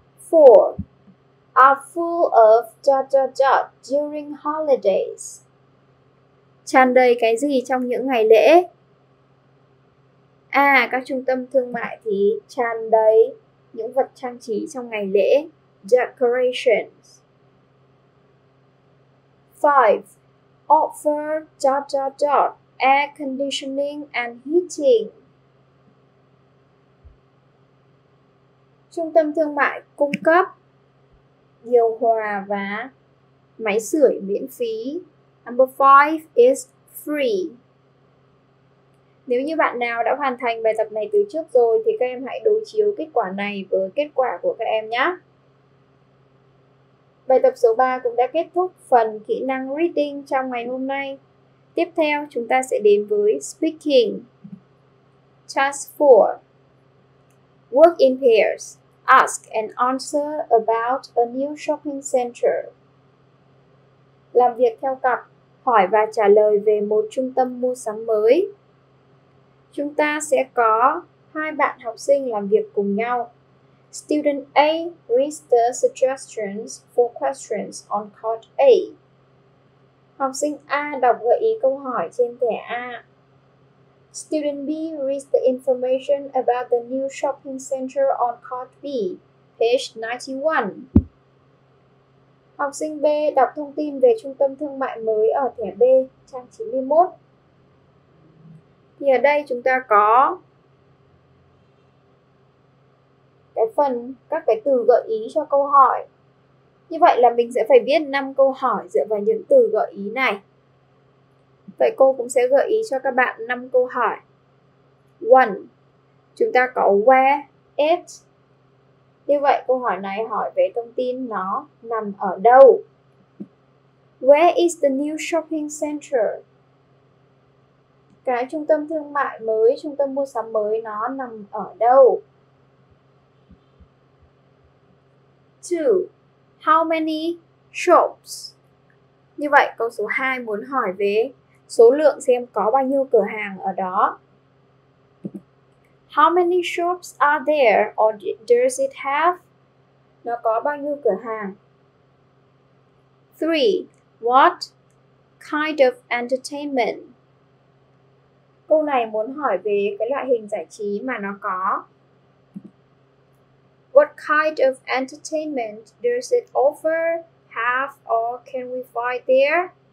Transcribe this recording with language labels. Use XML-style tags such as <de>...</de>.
<en>4. Are full of dot dot dot during holidays.</en> <vi>Tràn đầy cái gì trong những ngày lễ? À, các trung tâm thương mại thì tràn đầy những vật trang trí trong ngày lễ.</vi> <en>Decorations. 5. Offer dot dot dot air conditioning and heating.</en> <vi>Trung tâm thương mại cung cấp điều hòa và máy sưởi miễn phí.</vi> <en>Number 5 is free.</en> <vi>Nếu như bạn nào đã hoàn thành bài tập này từ trước rồi thì các em hãy đối chiếu kết quả này với kết quả của các em nhé. Bài tập số 3 cũng đã kết thúc phần kỹ năng reading trong ngày hôm nay. Tiếp theo, chúng ta sẽ đến với speaking.</vi> <en>Task 4. Work in pairs. Ask and answer about a new shopping center.</en> <vi>Làm việc theo cặp, hỏi và trả lời về một trung tâm mua sắm mới. Chúng ta sẽ có hai bạn học sinh làm việc cùng nhau.</vi> <en>Student A reads the suggestions for questions on card A.</en> <vi>Học sinh A đọc gợi ý câu hỏi trên thẻ A.</vi> <en>Student B reads the information about the new shopping center on card B, page 91.</en> <vi>Học sinh B đọc thông tin về trung tâm thương mại mới ở thẻ B, trang 91. Thì ở đây chúng ta có cái phần các cái từ gợi ý cho câu hỏi. Như vậy là mình sẽ phải viết 5 câu hỏi dựa vào những từ gợi ý này. Vậy cô cũng sẽ gợi ý cho các bạn 5 câu hỏi. 1. chúng ta có</vi> <en>where at.</en> <vi>Như vậy câu hỏi này hỏi về thông tin nó nằm ở đâu.</vi> <en>Where is the new shopping center?</en> <vi>Cái trung tâm thương mại mới, trung tâm mua sắm mới nó nằm ở đâu? 2.</vi> <en>How many shops?</en> <vi>Như vậy câu số 2 muốn hỏi về số lượng xem có bao nhiêu cửa hàng ở đó.</vi> <en>How many shops are there or does it have?</en> <vi>Nó có bao nhiêu cửa hàng? 3.</vi> <en>What kind of entertainment?</en> <vi>Câu này muốn hỏi về cái loại hình giải trí mà nó có.</vi> <en>What kind of entertainment does it offer, have, or can we find there?</en>